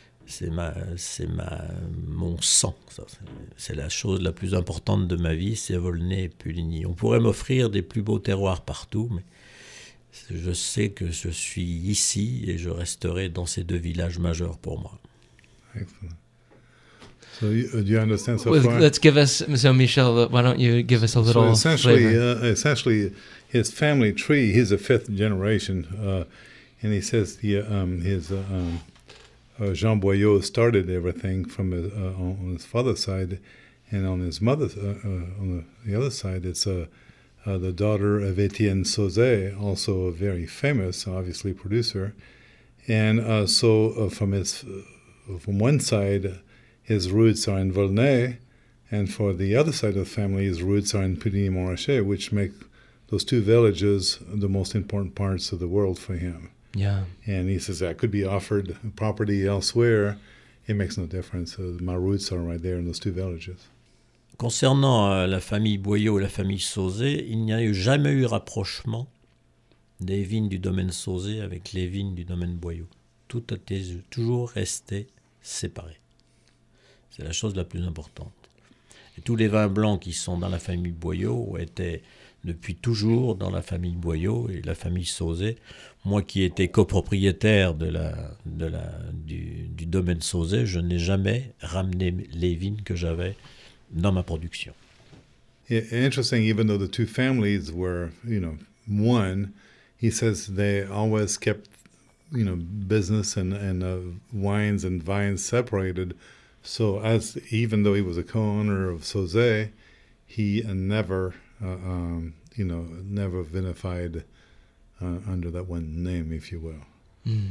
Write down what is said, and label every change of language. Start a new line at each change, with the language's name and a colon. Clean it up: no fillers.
French: C'est mon sang. Ça. C'est la chose la plus importante de ma vie, c'est Volnay et Puligny. On pourrait m'offrir des plus beaux terroirs partout, mais je sais que je suis ici et je resterai dans ces deux villages majeurs pour moi.
English: Excellent. So, do you understand so far? Well, let's give us, so Michel, why don't you give us a little flavor? Essentially, his family tree, he's a fifth generation, and he says Jean Boillot started everything from on his father's side, and on his mother's, on the other side, it's the daughter of Étienne Sauzet, also a very famous, obviously, producer. And from one side, his roots are in Volnay, and for the other side of the family, his roots are in Puligny-Montrachet, which make those two villages the most important parts of the world for him. Yeah. And he says, I could be offered property elsewhere. It makes no difference. My roots are right there in those two villages.
French: Concernant la famille Boillot et la famille Sauzet, il n'y a eu jamais eu rapprochement des vignes du domaine Sauzet avec les vignes du domaine Boillot. Tout était toujours resté séparé. C'est la chose la plus importante. Et tous les vins blancs qui sont dans la famille Boillot étaient depuis toujours dans la famille Boillot et la famille Sauzet. Moi qui étais copropriétaire du domaine Sauzet, je n'ai jamais ramené les vignes que j'avais dans ma production.
English: Interesting, even though the two families were, one, he says they always kept, business and wines and vines separated. So as even though he was a co-owner of Sauzet, he never, never vinified under that one name, if you will.